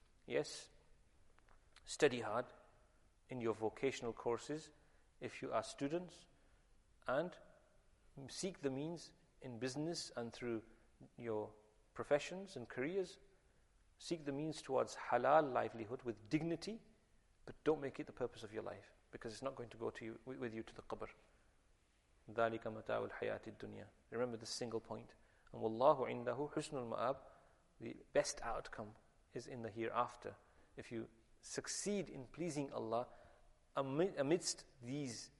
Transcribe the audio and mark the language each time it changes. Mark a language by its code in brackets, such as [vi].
[en] Yes, study hard in your vocational courses if you are students, and seek the means in business and through your professions and careers. Seek the means towards halal livelihood with dignity, but don't make it the purpose of your life, because it's not going to go to you with you to the qabr. [ar] ذَلِكَ مَتَاعُ الْحَيَاةِ الدُّنْيَا. [en] Remember this single point. [ar] And وَاللَّهُ عِنْدَهُ حُسْنُ الْمَآبِ. [en] The best outcome is in the hereafter. If you succeed in pleasing Allah amidst these